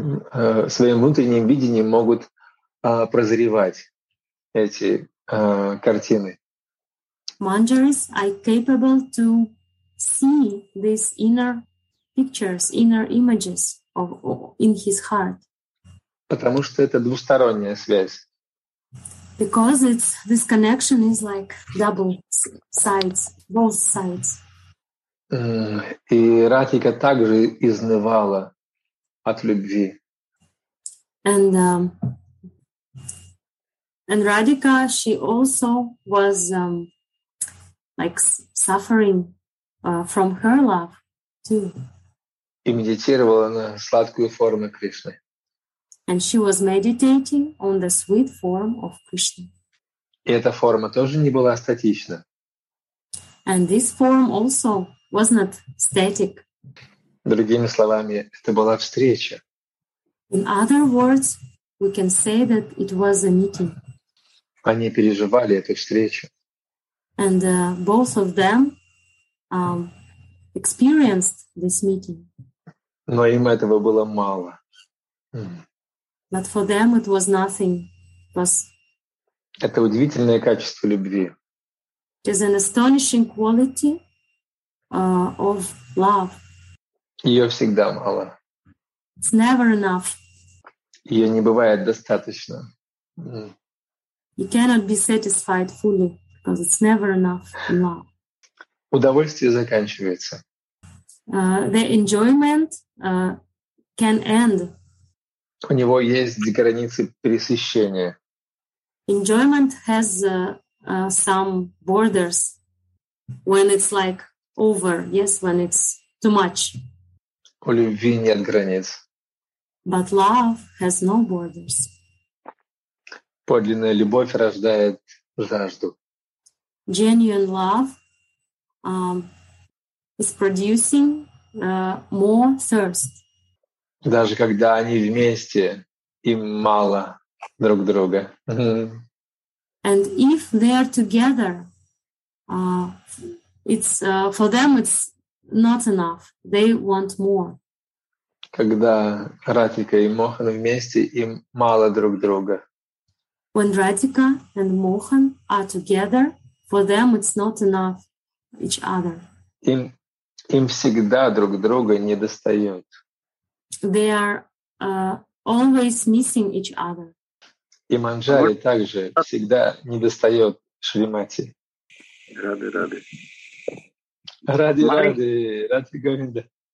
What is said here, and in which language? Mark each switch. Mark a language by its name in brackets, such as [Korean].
[Russian] Своим внутренним видением могут прозревать эти картины. [English] Manjaris are capable to see these inner pictures, inner images of in his heart. [Russian] Потому что это двусторонняя связь. [English] Because it's this connection is like double sides, both sides. [Russian] И Радхика также изнывала от любви. [English] And Radhika, she also was suffering from her love too. [Russian] И медитировала на сладкую форму Кришны. [English] And she was meditating on the sweet form of Krishna. [Russian] И эта форма тоже не была статична. [English] And this form also was not static. [Russian] Другими словами, это была встреча. [English] In other words, we can say that it was a meeting. [Russian] Они переживали эту встречу. [English] And both of them experienced this meeting. [Russian] Но им этого было мало. [English] But for them it was nothing. [Russian] Это удивительное качество любви. [English] It is an astonishing quality of love. [Russian] Ее всегда мало. [English] It's never enough. [Russian] Ее не бывает достаточно. [English] You cannot be satisfied fully because it's never enough in love. [Russian] Удовольствие заканчивается. [English] The enjoyment can end. [Russian] У него есть границы пресыщения. [English] Enjoyment has some borders when it's like over, yes, when it's too much. [Russian] У любви нет границ. [English] But love has no borders. [Russian] Подлинная любовь рождает жажду. [English] Genuine love is producing more thirst. [Russian] Даже когда они вместе, им мало друг друга. [English] And if they are together, it's for them it's not enough. They want more. [Russian] Когда Радхика и Мохан вместе, им мало друг друга. [English] When Radhika and Mohan are together, for them it's not enough each other. [Russian] Им всегда друг друга недостает. [English] They are always missing each other. [Russian] И Манджари также всегда недостает Шримати. Рады. Рады, Говинда.